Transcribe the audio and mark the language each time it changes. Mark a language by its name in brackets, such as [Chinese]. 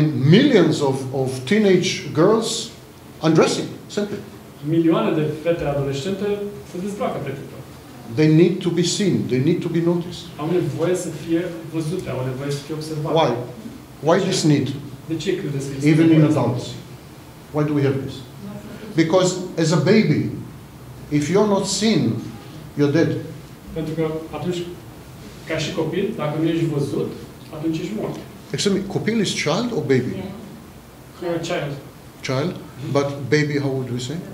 [English] Millions of teenage girls undressing, simply. [Romanian] Milioane de fete adolescente se dezbracă pe TikTok. [English] They need to be seen. They need to be noticed. [Romanian] Au nevoie să fie văzute, au nevoie să fie observate. [English] Why? Why this need? [Romanian] De ce credeți că este nevoie? [English] Even in adults. Why do we have this? Because as a baby, if you're not seen, you're dead. [Romanian] Pentru că atunci, ca și copil, dacă nu ești văzut, atunci ești mort. [English] Excuse me, copil is child or baby? Yeah. Child. Child, but baby, how would we say?